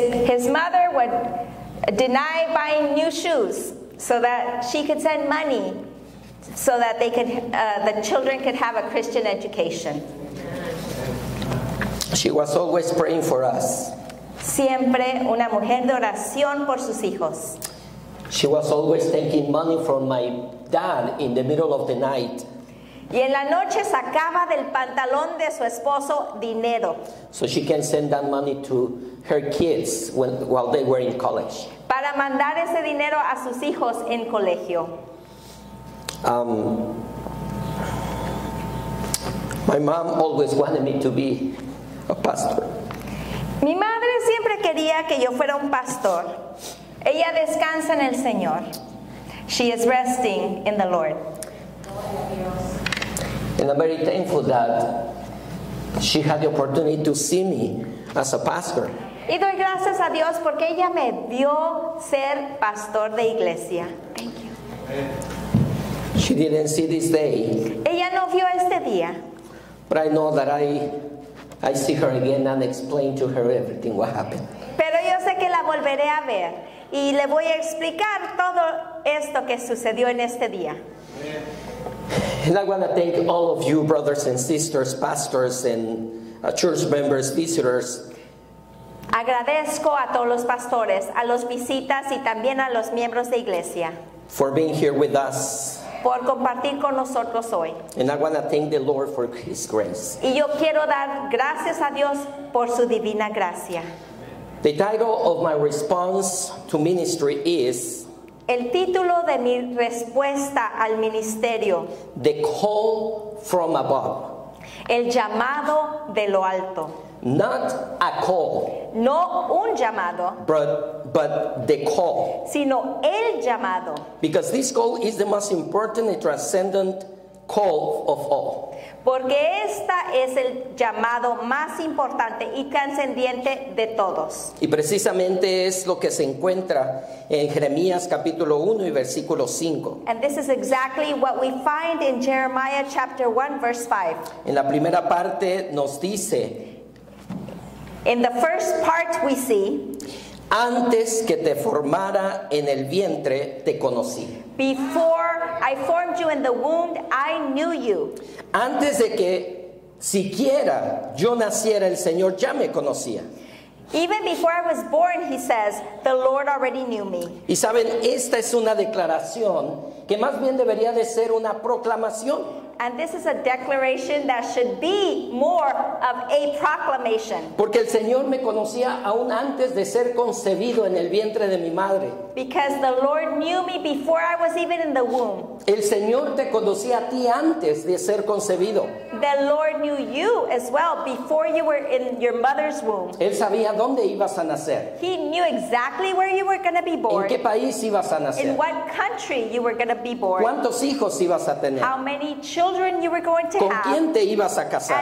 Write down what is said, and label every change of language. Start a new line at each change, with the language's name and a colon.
English: His mother would deny buying new shoes so that she could send money so that they could the children could have a Christian education. She was always praying for us.
Spanish: Siempre una mujer de oración por sus hijos.
English: She was always taking money from my dad in the middle of the night.
Spanish: Y en la noche sacaba del pantalón de su esposo dinero.
English: So she can send that money to her kids while they were in college.
Spanish: Para mandar ese dinero a sus hijos en colegio.
English: My mom always wanted me to be a pastor.
Spanish: Mi madre siempre quería que yo fuera un pastor. Ella descansa en el Señor.
English: She is resting in the Lord. And I'm very thankful that she had the opportunity to see me as a pastor.
Spanish: Y doy gracias a Dios porque ella me vio ser pastor de iglesia.
English: Thank you. She didn't see this day.
Spanish: Ella no vio este día.
English: But I know that I see her again and explain to her everything what happened.
Spanish: Pero yo sé que la volveré a ver y le voy a explicar todo esto que sucedió en este día.
English: And I want to thank all of you, brothers and sisters, pastors and church members, visitors.
Spanish: Agradezco a todos los pastores, a los visitas y también a los miembros de iglesia.
English: For being here with us.
Spanish: Por compartir con nosotros hoy.
English: And I want to thank the Lord for His grace.
Spanish: Y yo quiero dar gracias a Dios por su divina gracia.
English: The title of my response to ministry is.
Spanish: El título de mi respuesta al ministerio.
English: The call from above.
Spanish: El llamado de lo alto.
English: Not a call.
Spanish: No un llamado.
English: But the call.
Spanish: Sino el llamado.
English: Because this call is the most important and transcendent call of all.
Spanish: Porque esta es el llamado más importante y trascendiente de todos. Y precisamente es lo que se encuentra en Jeremías capítulo 1 y versículo 5.
English: And this is exactly what we find in Jeremiah chapter 1 verse 5.
Spanish: En la primera parte nos dice.
English: In the first part we see.
Spanish: Antes que te formara en el vientre, te conocí.
English: Before I formed you in the womb, I knew you.
Spanish: Antes de que siquiera yo naciera, el Señor ya me conocía.
English: Even before I was born, he says, the Lord already knew me.
Spanish: Y saben, esta es una declaración que más bien debería de ser una proclamación.
English: And this is a declaration that should be more of a proclamation.
Spanish: Porque el Señor me conocía aún antes de ser concebido en el vientre de mi madre.
English: Because the Lord knew me before I was even in the womb.
Spanish: El Señor te conocía a ti antes de ser concebido.
English: The Lord knew you as well before you were in your mother's womb.
Spanish: Él sabía dónde ibas a nacer.
English: He knew exactly where you were going to be born.
Spanish: ¿En qué país ibas a nacer?
English: In what country you were going to be born.
Spanish: ¿Cuántos hijos ibas a tener?
English: How many children you were going to have.
Spanish: ¿Con quién te ibas a casar?